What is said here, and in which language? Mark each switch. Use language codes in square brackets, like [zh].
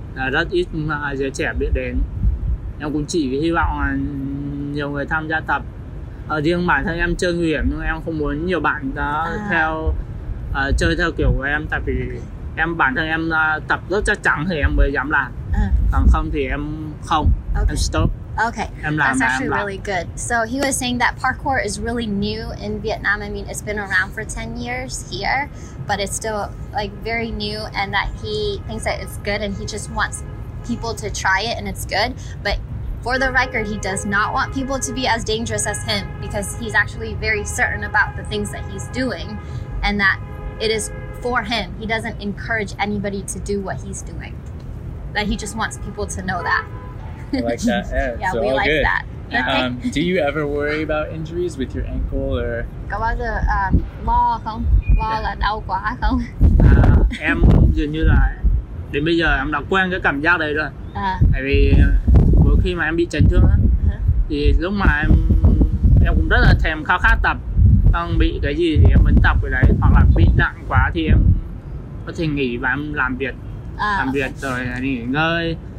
[vi] Rất ít giới trẻ biết đến. Em cũng chỉ hy vọng là nhiều người tham gia tập. Riêng bản thân em chơi nguy hiểm nhưng em không muốn nhiều bạn đó chơi theo kiểu của em, tại vì em bản thân em tập rất chắc chắn thì em mới dám làm. Còn không thì em không. Em stop. [en] Okay, that's actually really good. So he was saying that parkour is really new in Vietnam. I mean, it's been around for 10 years here, but it's still like very new, and that he thinks that it's good and he just wants people to try it and it's good. But for the record, he does not want people to be as dangerous as him, because he's actually very certain about the things that he's doing and that it is for him. He doesn't encourage anybody to do what he's doing. That he just wants people to know that. I like that. Yeah, we like good. That. Do you ever worry about injuries with your ankle or? [vi] Có bao giờ lo không? Lo là đau quá không? Em dường như là đến bây giờ em đã quen cái cảm giác đấy rồi. Tại vì mỗi khi mà em bị chấn thương á, thì lúc mà em cũng rất là thèm khao khát tập, đang bị cái gì thì em vẫn tập cái đấy, hoặc là bị nặng quá thì em có thể nghỉ và em làm việc, làm việc rồi nghỉ ngơi.